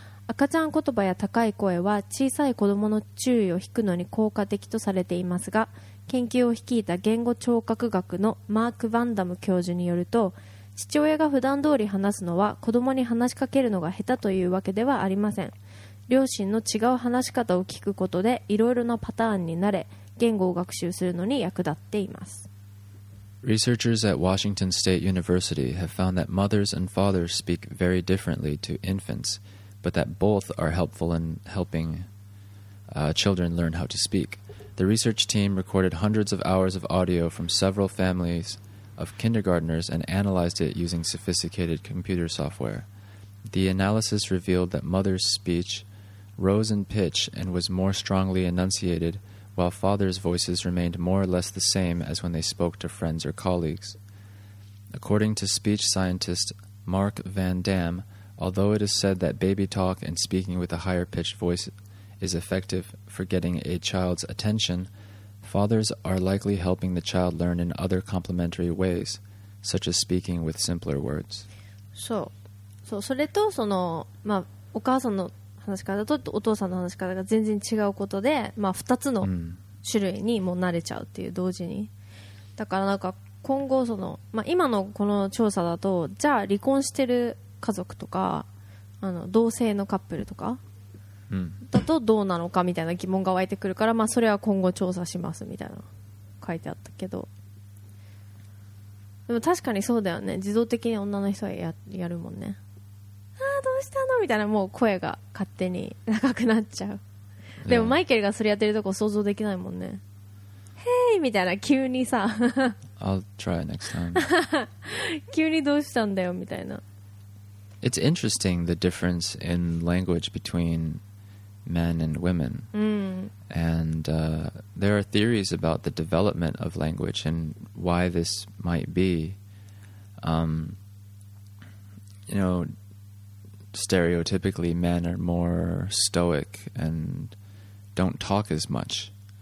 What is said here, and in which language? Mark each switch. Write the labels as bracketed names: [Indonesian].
[Japanese] 赤ちゃん言葉や高い声は小さい子供の注意を引くのに効果的とされていますが、研究を率いた言語聴覚学のマーク・バンダム教授によると、父親が普段通り話すのは子供に話しかけるのが下手というわけではありません。両親の違う話し方を聞くことでいろいろなパターンになれ、言語を学習するのに役立っています。 [English] Researchers at Washington State University have found that mothers and fathers speak very differently to infants, but that both are helpful in helping children learn how to speak. The research team recorded hundreds of hours of audio from several families of kindergartners and analyzed it using sophisticated computer software. The analysis revealed that mother's speech rose in pitch and was more strongly enunciated, while father's voices remained more or less the same as when they spoke to friends or colleagues. According to speech scientist Mark Van Dam, although it is said that baby talk and speaking with a higher pitched voice is effective for getting a child's attention,Fathers are likely helping the child learn in other complementary ways, such as speaking with simpler words. [Japanese] そう、そう、それとその、まあ、お母さんの話し方とお父さんの話し方が全然違うことで、まあ、2つの種類にもう慣れちゃうっていう、同時に。だからなんか今後その、まあ、今のこの調査だと、じゃあ離婚してる家族とか、同性のカップルとか、だとどうなのかみたいな疑問が湧いてくるから、まあ、それは今後調査しますみたいな書いてあったけど、でも確かにそうだよね、自動的に女の人は やるもんね。ああどうしたのみたいな、もう声が勝手に長くなっちゃう。でもマイケルがそれやってるとこ想像できないもんね。へい、みたいな急にさ [English] I'll try next time [Japanese] 急にどうしたんだよみたいな。 [English] It's interesting the difference in language between men and women. And there are theories about the development of language and why this might be. You know, stereotypically, men are more stoic and don't talk as much.